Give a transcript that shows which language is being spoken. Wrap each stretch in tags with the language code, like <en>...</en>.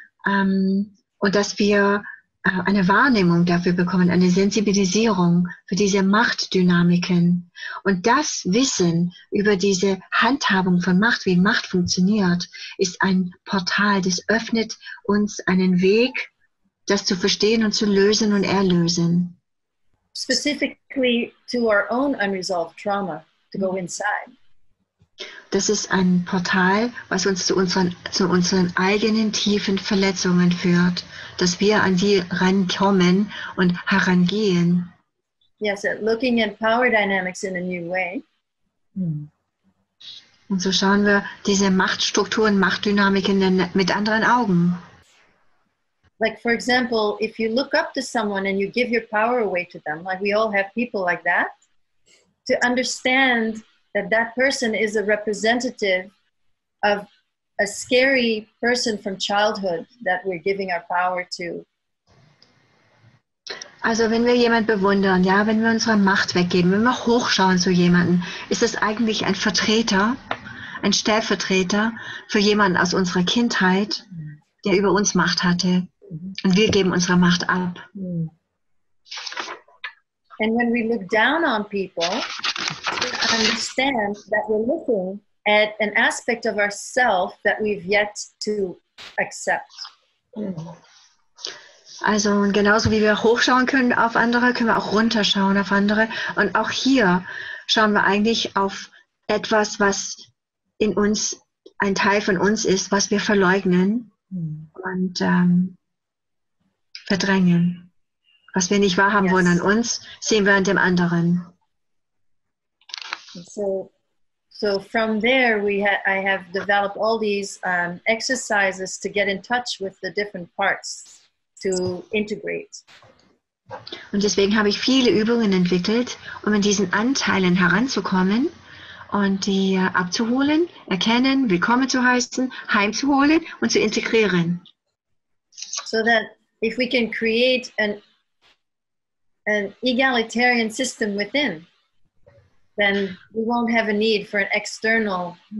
<de>Und dass wir eine Wahrnehmung dafür bekommen, eine Sensibilisierung für diese Machtdynamiken. Und das Wissen über diese Handhabung von Macht, wie Macht funktioniert, ist ein Portal, das öffnet uns einen Weg, das zu verstehen und zu lösen und erlösen.</de> <en>Specifically to our own unresolved trauma, to go inside.</en> <de>Das ist ein Portal, was uns zu unseren eigenen tiefen Verletzungen führt, dass wir an sie rankommen und herangehen.</de> <en>Yes, looking at power dynamics in a new way.</en> <de>Und so schauen wir diese Machtstrukturen, Machtdynamiken mit anderen Augen.</de> <en>Like for example, if you look up to someone and you give your power away to them, like we all have people like that, to understand that person is a representative of a scary person from childhood that we're giving our power to.</en> <de>Also wenn wir jemanden bewundern, ja, wenn wir unsere Macht weggeben, wenn wir hochschauen zu jemanden, ist das eigentlich ein Vertreter, ein Stellvertreter für jemanden aus unserer Kindheit, der über uns Macht hatte. Und wir geben unsere Macht ab.</de> <en>And when we look down on people, understand that we're looking at an aspect of ourself that we've yet to accept.</en> <de>Also genauso wie wir hochschauen können auf andere, können wir auch runterschauen auf andere. Und auch hier schauen wir eigentlich auf etwas, was in uns, ein Teil von uns ist, was wir verleugnen und verdrängen. Was wir nicht wahrhaben wollen an uns, sehen wir an dem anderen.</de> <en>So, So from there, I have developed all these exercises to get in touch with the different parts to integrate.</en> <de>Und deswegen habe ich viele Übungen entwickelt, um in diesen Anteilen heranzukommen und die abzuholen, erkennen, willkommen zu heißen, heimzuholen und zu integrieren.</de> <en>So that if we can create an egalitarian system within, then we won't have a need for an external.</en>